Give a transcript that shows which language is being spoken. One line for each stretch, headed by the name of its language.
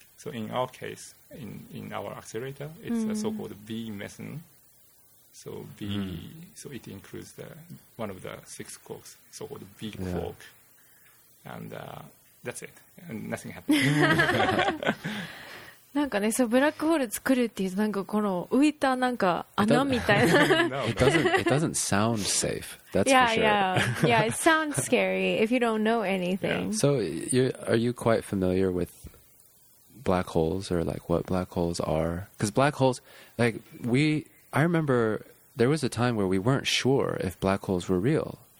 English: So in our case, in our accelerator, it's a so-called B meson. So B, so it includes the one of the six quarks, so-called B quark, and that's it, and nothing happens.
Japanese: なんかね、そうブラックホール作るっていうとなんかこの浮いたなんか穴みたいな。
English: It doesn't sound safe. That's yeah, for sure. Yeah. It sounds scary if you don't know anything. Yeah. So are you quite familiar with black holes or like what black holes are? Because black holes, like I remember there was a time where we weren't sure if black holes were real.